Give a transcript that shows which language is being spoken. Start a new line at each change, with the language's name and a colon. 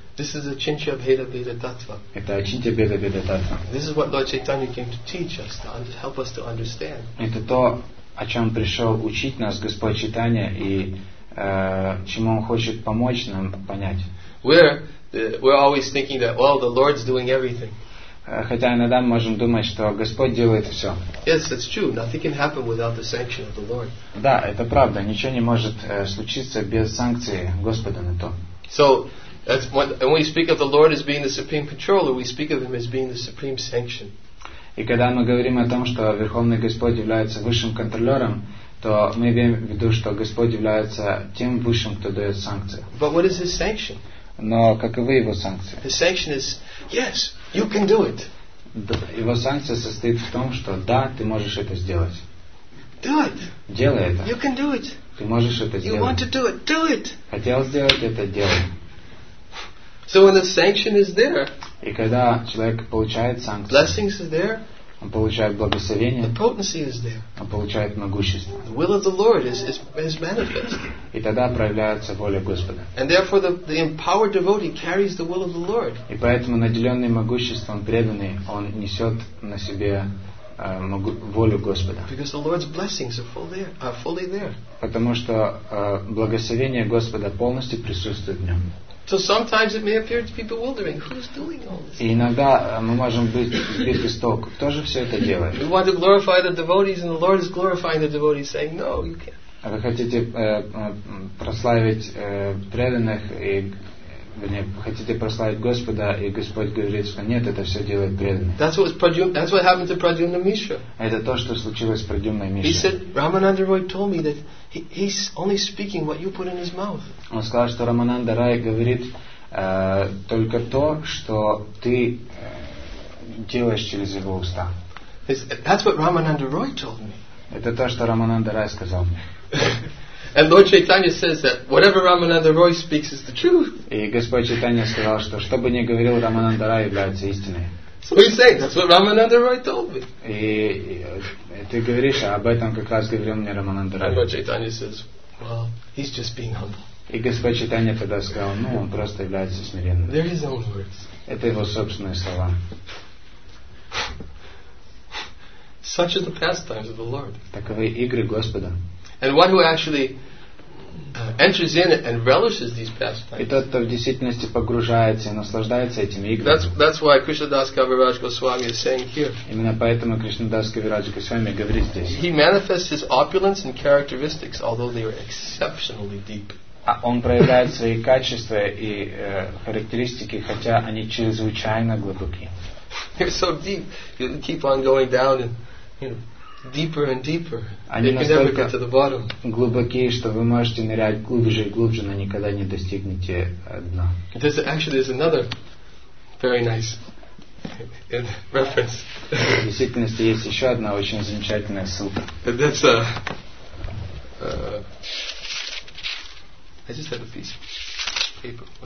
English: This is a Chintya Bheda Bheda Tattva.
Russian: Это Чинтья Бхеда Бхеда Таттва.
English: This is what Lord Chaitanya came to teach us, to help us to understand.
Russian: Это то, о чем пришел учить нас Господь Читания и чему он хочет помочь нам понять.
English: We're always thinking that, well, the Lord's doing everything.
Russian: Хотя иногда мы можем думать, что Господь делает все.
English: Yes, that's true. Nothing can happen without the sanction of the Lord.
Russian: Да, это правда. Ничего не может случиться без санкции Господа на то.
English: So, that's when we speak of the Lord as being the supreme controller, we speak of him as being the supreme sanction.
Russian: И когда мы говорим о том, что Верховный Господь является высшим контролером, то мы имеем в виду, что Господь является тем высшим, кто дает санкции.
English: But what is his sanction?
Russian: Но каковы его санкции?
English: His sanction is yes, you can do it.
Russian: Его санкция состоит в том, что да, ты можешь это сделать.
English: Do it.
Russian: Делай это.
English: You can do it.
Russian: Ты можешь это сделать.
English: You want to do it? Do it.
Russian: Хотел сделать это, делай.
English: So when the sanction is there,
Russian: и когда человек получает санкцию,
English: blessings is there,
Russian: он получает благословение,
English: the potency is there,
Russian: он получает могущество,
English: the will of the Lord is manifested,
Russian: и тогда проявляется воля Господа.
English: And therefore the empowered devotee carries the will of the Lord.
Russian: И поэтому наделенный могуществом преданный, он несет на себе волю Господа.
English: Because the Lord's blessings are fully there.
Russian: Потому что благословение Господа полностью присутствует в нем.
English: So sometimes it may appear to be bewildering. Who's doing all this?
Russian: И иногда мы можем быть сбиты с толку. Кто же все это делает?
English: We want to glorify the devotees, and the Lord is glorifying the devotees, saying, "No, you can't."
Russian: А вы хотите прославить преданных, и хотите прославить Господа, и Господь говорит, что нет, это все делает преданный.
English: That's what happened to Pradyumna Mishra.
Russian: Это то, что случилось с Прадьюмной
English: Мишрой. He said, Рамананда Рой told me that he's only speaking what you put in his mouth.
Russian: Он сказал, что Рамананда Рай говорит только то, что ты делаешь через его уста.
English: That's what Рамананда Рой told me.
Russian: Это то, что Рамананда Рай сказал мне.
English: And Lord Chaitanya says that whatever Ramananda Roy speaks is the truth.
Russian: И Господь Чайтанья сказал, что что бы ни говорил Рамананда Рай, является истиной.
English: So you say that's what Ramananda Roy told me.
Russian: И ты говоришь, об этом как раз говорил мне Рамананда Рай.
English: And Lord Chaitanya says, well, he's just being humble.
Russian: И Господь Чайтанья тогда сказал, ну он просто является смиренным.
English: They're his own words.
Russian: Это его собственные слова.
English: Such are the pastimes of the Lord.
Russian: Таковы игры Господа.
English: And one who actually enters in and relishes these pastimes.
Russian: И тот, кто в действительности погружается и наслаждается этими играми.
English: That's why Krishnadas Kaviraj Goswami is saying here.
Russian: Именно поэтому Кришнадас Кавирадж Госвами говорит здесь.
English: He manifests his opulence and characteristics, although they are exceptionally deep.
Russian: А он проявляет свои качества и характеристики, хотя они чрезвычайно глубоки.
English: They're so deep, you keep on going down and, you know, deeper and deeper.
Russian: Они настолько
English: to the bottom.
Russian: Глубокие, что вы можете нырять глубже и глубже, но никогда не достигнете дна.
English: There's another very nice reference.
Russian: В действительности есть еще одна очень замечательная ссылка.
English: That's I just have a piece of paper.